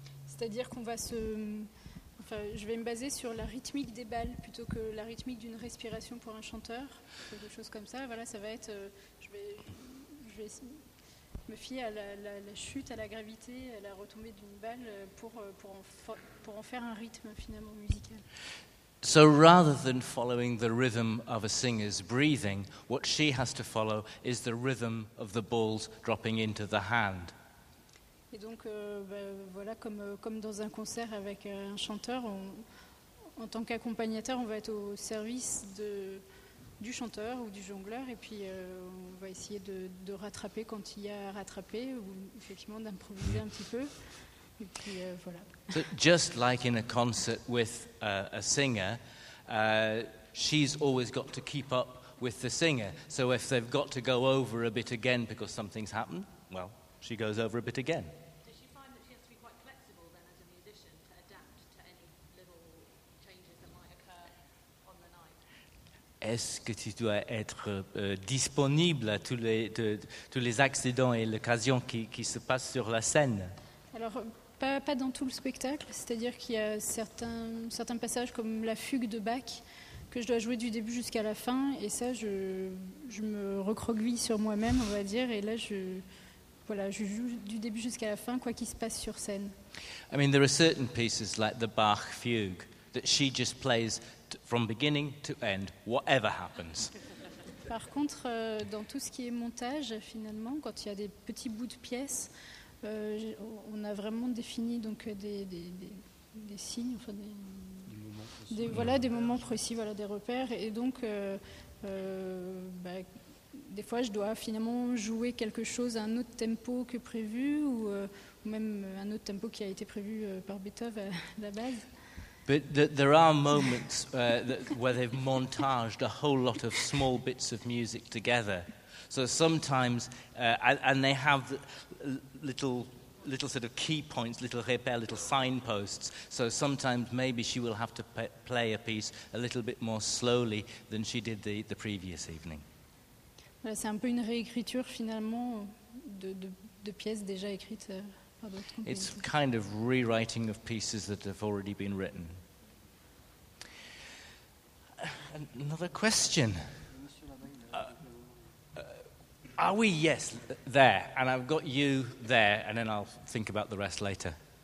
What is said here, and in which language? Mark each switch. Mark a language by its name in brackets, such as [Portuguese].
[French] C'est-à-dire qu'on va se, enfin, je vais me baser sur la rythmique des balles plutôt que la rythmique d'une respiration pour un chanteur, quelque chose comme ça. Voilà, ça va être, je vais me fier à la chute, à la gravité, à la retombée d'une balle pour en faire un rythme finalement musical. [English] So rather than following the rhythm of a singer's breathing, what she has to follow is the rhythm of the balls dropping into the hand. [French] Et donc, voilà, comme dans un concert avec un chanteur, en tant qu'accompagnateur, on va être au service du chanteur ou du jongleur, et puis on va essayer de rattraper quand il y a à rattraper, ou effectivement d'improviser un petit peu. Puis, voilà. [English] So just like in a concert with a singer, she's always got to keep up with the singer. So if they've got to go over a bit again because something's happened, well, she goes over a bit again. Does she find that she has to be quite flexible then as a musician to adapt to any little changes that might occur on the night? [French] Est-ce que tu dois être disponible à tous les accidents et l'occasion qui se passe sur la scène? Pas dans tout le spectacle, c'est-à-dire qu'il y a certains passages comme la fugue de Bach que je dois jouer du début jusqu'à la fin, et ça je me recroqueville sur moi-même, on va dire, et là je joue du début jusqu'à la fin quoi qu'il se passe sur scène. [English] I mean, there are certain pieces like the Bach fugue that she just plays from beginning to end, whatever happens. [French] Par contre, dans tout ce qui est montage, finalement, quand il y a des petits bouts de pièces, on a vraiment défini donc des signes, enfin des moments précis, des repères, et donc des fois je dois finalement jouer quelque chose à un autre tempo que prévu, ou même un autre tempo qui a été prévu par Beethoven à la base. [English] But there are moments where they've montaged a whole lot of small bits of music together. So sometimes, and they have little sort of key points, little repères, little signposts. So sometimes maybe she will have to play a piece a little bit more slowly than she did the previous evening. [French] Voilà, c'est un peu une réécriture finalement de pièces déjà écrites par d'autres compositeurs. [English] It's kind of rewriting of pieces that have already been written. Another question. Are we? Yes, there. And I've got you there, and then I'll think about the rest later.